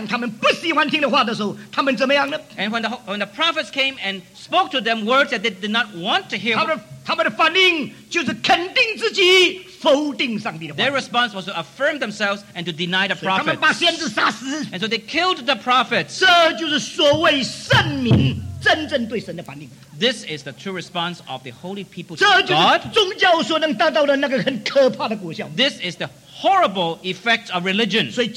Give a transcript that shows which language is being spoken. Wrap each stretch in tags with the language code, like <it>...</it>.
<zh>先知来不讲他们喜欢听的话，讲他们不喜欢听的话的时候，他们怎么样呢？</zh> <en>And when the prophets came and spoke to them words that they did not want to hear,</en> <zh>他们的反应就是肯定自己。</zh> <en>Their response was to affirm themselves and to deny the prophets. And so they killed the prophets. This is the true response of the holy people to God. This is the horrible effect of religion.</en>